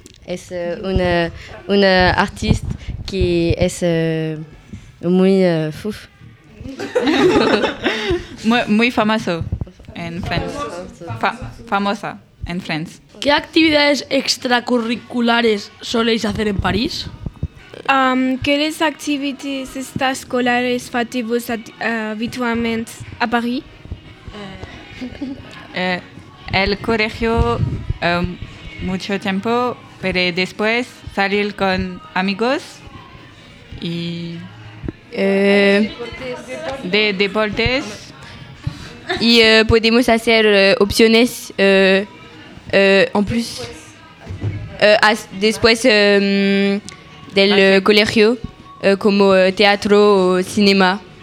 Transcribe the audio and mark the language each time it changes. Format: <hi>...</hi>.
<es>Es una artista que es muy fouf. muy famoso en France. Famosa en France. ¿Qué actividades extracurriculares soléis hacer en París?</es> <fr>¿Quelles activités extrascolaires faites-vous habituellement à Paris?</fr> <es>El colegio mucho tiempo, pero después salir con amigos y deportes. Y podemos hacer opciones</es> <fr>en plus</fr> <es>después del colegio, como teatro o cinema.</es>